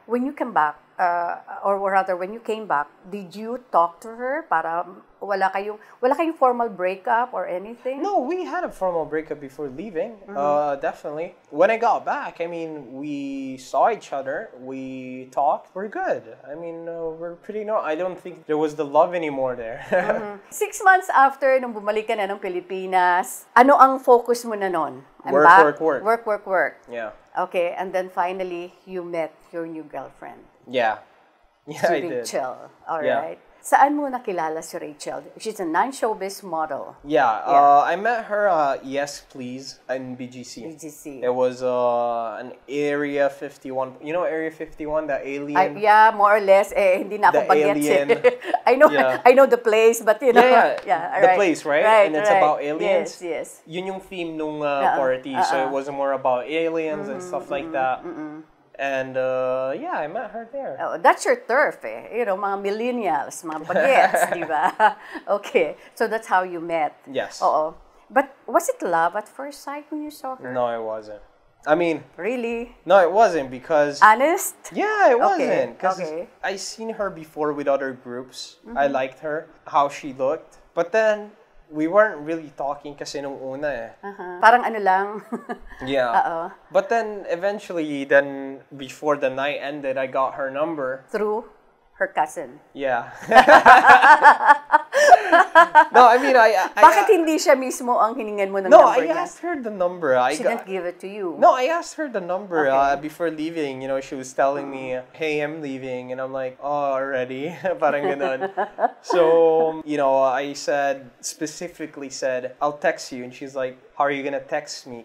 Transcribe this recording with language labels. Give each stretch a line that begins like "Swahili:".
English: When you came back when you came back, did you talk to her
Filipino: para wala kayong
English: formal breakup or anything? No, we had a formal breakup before leaving. Mm-hmm. Definitely. When I got back, I mean, we saw each other, we talked, we're good. I mean, we're pretty normal. I don't think there was the love anymore there. Mm-hmm.
Filipino: 6 months after nung bumalik ka na ng Pilipinas, ano ang focus mo na noon?
English: Work. Yeah. Okay, and then finally you met your new girlfriend. Yeah, I did. Rachel. All right.
Filipino: Saan mo nakilala si Rachel?
English: She's a non-showbiz model. Yeah, I met her Yes Please in BGC. BGC. It was an Area 51. You know Area 51, the alien? Yeah, more or less.
Filipino: Hindi na ako
English: the alien. I know the place, but you know. Yeah. The place, right? Right, and it's right. About aliens? Yes.
Filipino: Yun yung theme nung party.
English: Uh-uh. So it was more about aliens and stuff like that. Mm-mm. And yeah, I met her there. Oh, that's your turf, eh?
Filipino: You know, mga millennials, mga bagets, di ba?
English: Okay, so that's how you met. Yes. Uh-oh. But was it love at first sight when you saw her? No, it wasn't. I mean... Really? No, it wasn't because... Honest? Yeah, it wasn't. Okay. I seen her before with other groups. Mm-hmm. I liked her, how she looked. But then... We weren't really talking
Filipino: kasi nung una eh. Uh-huh. Parang ano lang.
English: Yeah. Uh-oh. But then, eventually, then before the night ended, I got her number. Through her cousin. Yeah. No, I mean, I...
Filipino: Bakit hindi siya mismo ang hiningan mo ng
English: no, number No, I
Filipino: niya?
English: Asked her the number. I she got, didn't give it to you. No, I asked her the number before leaving. You know, she was telling me, hey, I'm leaving. And I'm like, oh, already?
Filipino: Parang ganun.
English: So, you know, I said, specifically said, I'll text you. And she's like, how are you gonna text me?